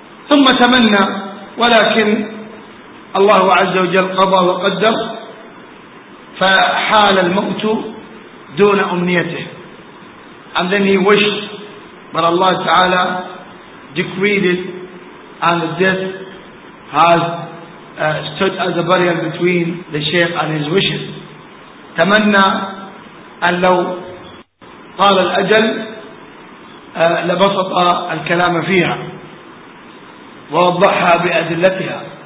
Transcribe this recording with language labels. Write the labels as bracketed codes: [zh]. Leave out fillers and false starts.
[ar] ثم تمنى, ولكن الله عز وجل قضى وقدر, فحال الموت دون أمنيته. [en] And then he wished, but Allah Ta'ala decreed it, and the death has stood as a barrier between the shaykh and his wishes. [ar] تمنى أن لو طال الأجل لبسط الكلام فيها ووضحها بأدلتها.